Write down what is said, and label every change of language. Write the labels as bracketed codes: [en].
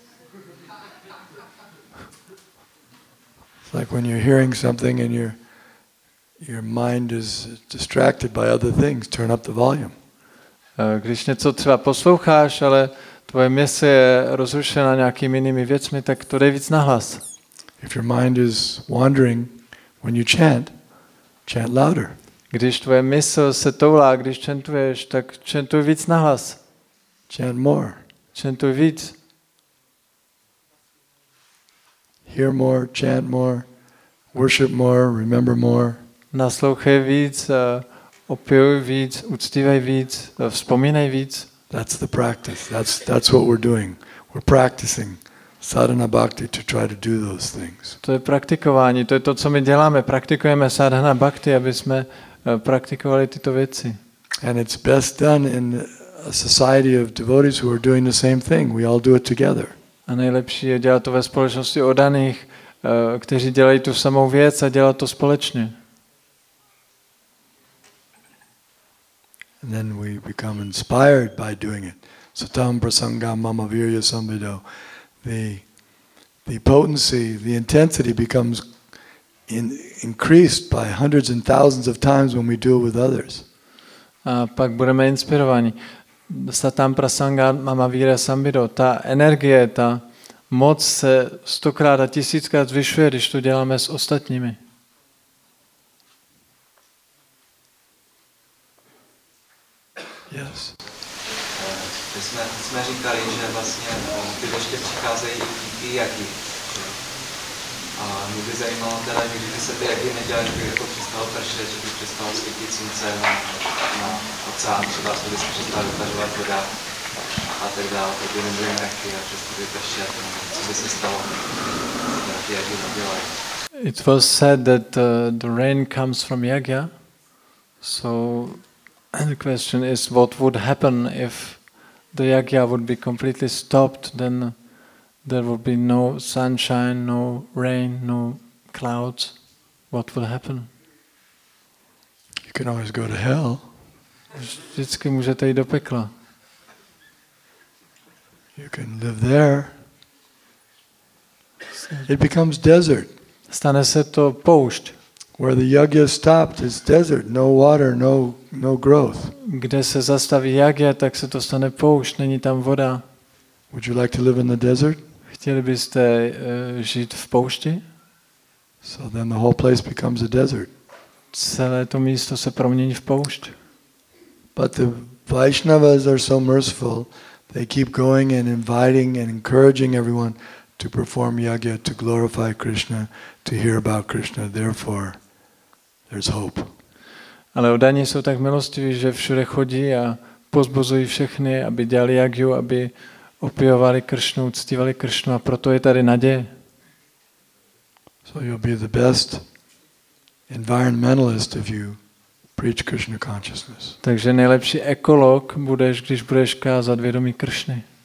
[en] It's like when you're hearing something and your mind is distracted by other things, turn up the volume. [cs] Když něco třeba posloucháš, ale tvoje mysl je rozrušena nějakými jinými věcmi, tak to dej víc na hlas. [en] If your mind is wandering when you chant, chant louder. [cs] Když tvoje mysl se toulá, když chantuješ, tak chantuj víc na hlas. [en] Chant more. [cs] Chantuj víc. [en] Hear more, chant more, worship more, remember more. [cs] Naslouchej víc, opěvuj víc, uctívej víc, vzpomínej víc. [en] That's the practice. That's what we're doing. We're practicing sadhana bhakti to try to do those things. [cs] To je praktikování, to je to, co my děláme. Praktikujeme sadhana bhakti, aby jsme praktikovali tyto věci. [en] And it's best done in a society of devotees who are doing the same thing. We all do it together. [cs] A nejlepší je dělat to ve společnosti oddaných, kteří dělají tu samou věc a dělat to společně. [en] And then we become inspired by doing it. [sa] Sutam prasangam mama virya sambhido. [en] The potency, the intensity becomes increased by hundreds and thousands of times when we do it with others. [cs] A pak budeme inspirovaní. [sa] Sutam prasangam mama virya sambhido. [cs] Ta energie, ta moc se stokrát a tisíckrát zvyšuje, když to děláme s ostatními. [en] Yes. [cs] Jsme říkali, že vlastně ty deště přicházejí díky jagy. A mě by zajímalo teda, kdyby se ty jagy nedělali, kdyby jako přestalo pršet, že by přestalo svítit slunce na oceán, třeba se by se přestala vytvařovat voda a tak dále, tak by nebyly mraky a přesto by pršet. Co by se stalo, když ty jagy nedělají? [en] It was said that the rain comes from yagya, so and the question is, what would happen if the yagya would be completely stopped? Then there would be no sunshine, no rain, no clouds. What would happen? You can always go to hell. [cs] Vždycky můžete jít do pekla. [en] You can live there. It becomes desert. [cs] Stane se to poušť. [en] Where the yagya stopped is desert, no water, no growth. [cs] Kde se zastaví yagya, tak se to stane poušť, není tam voda. [en] Would you like to live in the desert? [cs] Chtěli byste žít v poušti? [en] So then the whole place becomes a desert. [cs] Celé to místo se promění v poušť. [en] But the Vaishnavas are so merciful, they keep going and inviting and encouraging everyone to perform yagya, to glorify Krishna, to hear about Krishna. Therefore, there's hope. [cs] Ale oddaní jsou tak milostiví, že všude chodí a pozbuzují všechny, aby dělali jagyu, aby opěvovali Kršnu, uctívali Kršnu, a proto je tady naděje. [en] So you'll be the best environmentalist if you preach Krishna consciousness. [cs] Takže nejlepší ekolog budeš, když budeš kázat vědomí Kršny.